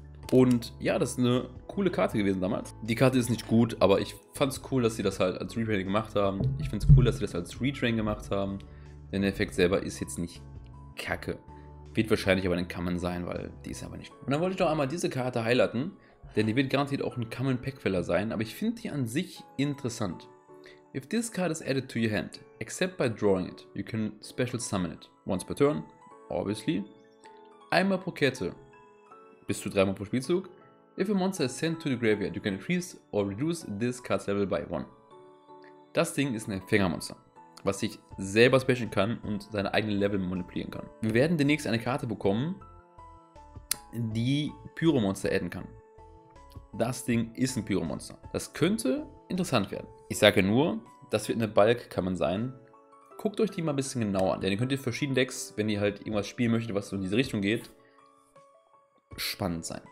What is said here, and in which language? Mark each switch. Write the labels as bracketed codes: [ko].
[de] Und ja, das ist eine coole Karte gewesen damals. Die Karte ist nicht gut, aber ich fand es cool, dass sie das halt als Retraining gemacht haben. Ich finde es cool, dass sie das als Retrain gemacht haben. Denn der Effekt selber ist jetzt nicht kacke. Wird wahrscheinlich aber ein Common sein, weil die ist aber nicht gut. Und dann wollte ich doch einmal diese Karte highlighten, denn die wird garantiert auch ein Common Packfeller sein. Aber ich finde die an sich interessant. [en] If this card is added to your hand, except by drawing it, you can special summon it. Once per turn, obviously. Einmal pro Kette. Bis zu dreimal pro Spielzug. If a monster is sent to the graveyard, you can increase or reduce this card's level by 1. [de] Das Ding ist ein Fängermonster, was sich selber specialen kann und seine eigenen Level manipulieren kann. Wir werden demnächst eine Karte bekommen, die Pyromonster adden kann. Das Ding ist ein Pyromonster. Das könnte interessant werden. Ich sage nur, das wird eine Bulk-Kammern sein. Guckt euch die mal ein bisschen genauer an, denn ihr könnt ihr verschiedene Decks, wenn ihr halt irgendwas spielen möchtet, was so in diese Richtung geht, spannend sein.